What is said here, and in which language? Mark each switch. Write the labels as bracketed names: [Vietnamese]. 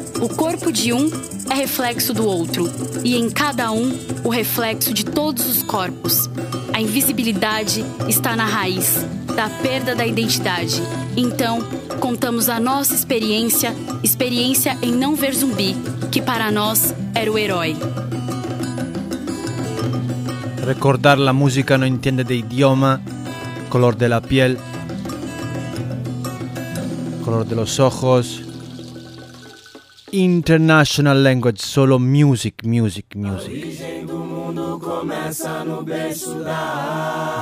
[Portuguese] O corpo de um é reflexo do outro. E em cada um, o reflexo de todos os corpos. A invisibilidade está na raiz da perda da identidade. Então, contamos a nossa experiência, experiência em não ver Zumbi, que para nós era o herói. [Spanish] Recordar la música no entiende de idioma, color de la piel, color de los ojos. [English] International language, solo music, music, music. [Portuguese] A origem do mundo começa no berço da